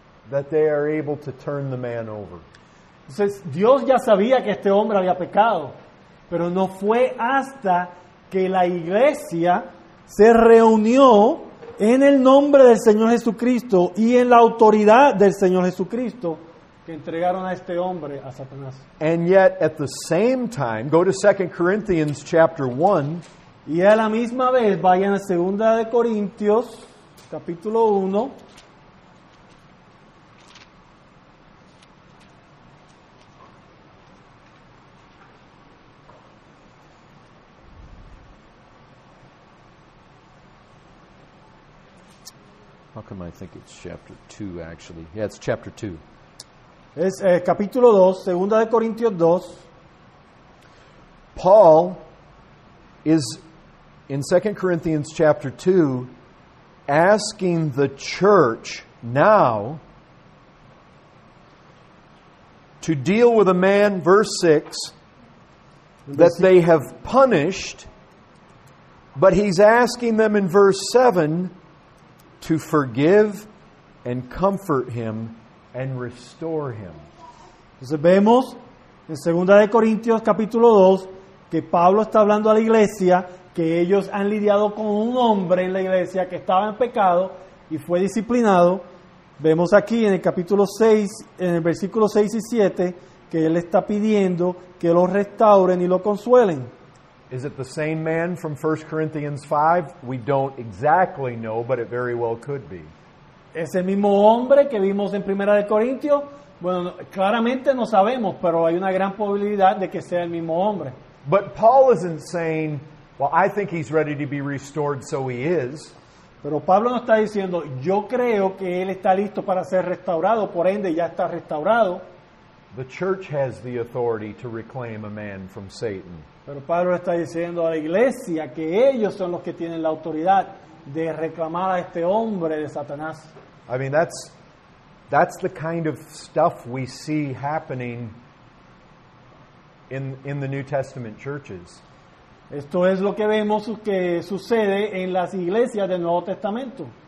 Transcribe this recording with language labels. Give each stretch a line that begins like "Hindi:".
English: that they are able to turn the man over.
Spanish: Entonces, Dios ya sabía que este hombre había pecado, pero no fue hasta que la iglesia se reunió en el nombre del Señor Jesucristo y en la autoridad del Señor Jesucristo que entregaron a este hombre a Satanás.
English: And yet at the same time, go to 2 Corinthians chapter 1.
Spanish: Y a la misma vez, vayan a 2 de Corintios capítulo 1.
English: How come I think it's chapter 2, actually? Yeah, it's chapter 2.
Spanish: Es capítulo 2, 2 de Corintios 2.
English: Paul is, in 2 Corinthians chapter 2, asking the church now to deal with a man, verse 6, that they have punished, but he's asking them in verse 7, to forgive and comfort him and restore him.
Spanish: Entonces vemos en 2 de Corintios capítulo 2 que Pablo está hablando a la iglesia que ellos han lidiado con un hombre en la iglesia que estaba en pecado y fue disciplinado. Vemos aquí en el capítulo 6, en el versículo 6 y 7, que él está pidiendo que lo restauren y lo consuelen.
English: Is it the same man from 1 Corinthians 5? We don't exactly know, but it very well could be.
Spanish: ¿Es el mismo hombre que vimos en 1 de Corintios? Bueno, claramente no sabemos, pero hay una gran probabilidad de que sea el mismo hombre.
English: But Paul isn't saying, well, I think he's ready to be restored, so he is.
Spanish: Pero Pablo no está diciendo, yo creo que él está listo para ser restaurado, por ende ya está restaurado.
English: The church has the authority to reclaim a man from Satan.
Spanish: Pero Pablo está diciendo a la iglesia que ellos son los que tienen la autoridad de reclamar a este hombre de Satanás.
English: I mean, that's the kind of stuff we see happening in the New Testament churches.
Spanish: Esto es lo que vemos que sucede en las iglesias del Nuevo Testamento.